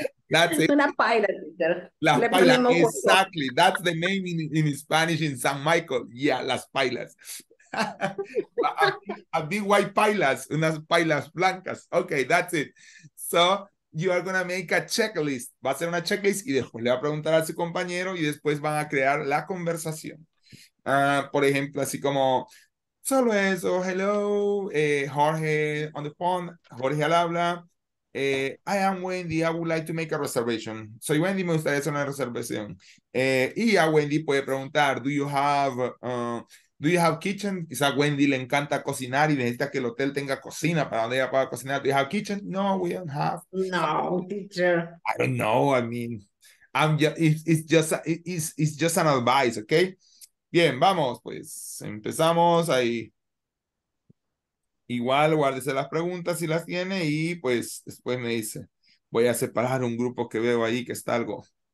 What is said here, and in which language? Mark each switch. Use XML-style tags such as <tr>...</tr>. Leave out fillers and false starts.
<en>That's it.</en> <es>Una paila. Las pailas,</es> <en>exactly. That's the name in Spanish in San Michael. Yeah, las pailas. a big white pailas,</en> <es>unas pailas blancas.</es> <en>Okay, that's it. So you are going to make a checklist.</en> <es>Va a ser una checklist y después le va a preguntar a su compañero y después van a crear la conversación. Por ejemplo, así como, solo eso,</es> <en>hello, Jorge on the phone,</en> <es>Jorge al habla.</es> <en>I am Wendy, I would like to make a reservation.</en> <es>Soy Wendy, me gustaría hacer una reservación. Y a Wendy puede preguntar,</es> <en>do you have kitchen?</en> <es>Quizá Wendy le encanta cocinar y necesita que el hotel tenga cocina para donde ella pueda cocinar.</es> <en>Do you have kitchen? No, we don't have. No, teacher. I don't know, I mean, it's just an advice, okay?</en> <es>Bien, vamos, pues, empezamos ahí. Igual, guárdese las preguntas si las tiene y pues después me dice, voy a separar un grupo que veo ahí que está algo.</es>